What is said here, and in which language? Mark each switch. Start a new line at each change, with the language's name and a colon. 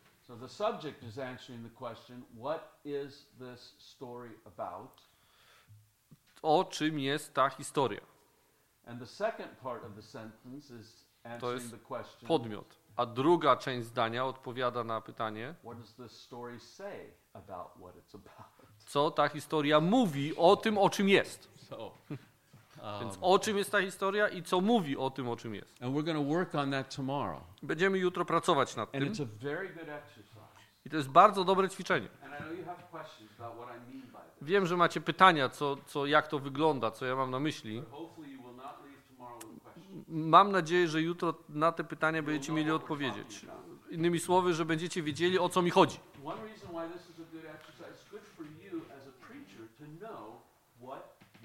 English: So the subject is answering the question, what is this story about?
Polish: O czym jest ta historia?
English: And the second part of the sentence is answering the question.
Polish: Podmiot. A druga część zdania odpowiada na pytanie.
English: What does this story say about what it's about?
Polish: Co ta historia mówi o tym, o czym jest?
English: So,
Polish: Więc o czym jest ta historia i co mówi o tym, o czym jest.
English: And we're going to work on that tomorrow.
Polish: Będziemy jutro pracować nad
English: and
Polish: tym.
English: It's a very good exercise.
Polish: I to jest bardzo dobre ćwiczenie.
English: And I know you have questions about what I mean by this.
Polish: Wiem, że macie pytania, co, jak to wygląda, co ja mam na myśli.
English: But hopefully you will not leave tomorrow with questions.
Polish: Mam nadzieję, że jutro na te pytania będziecie mieli odpowiedzieć. Innymi słowy, że będziecie wiedzieli, o co mi chodzi.
English: One reason why this is a good exercise is good for you as a preacher to know what.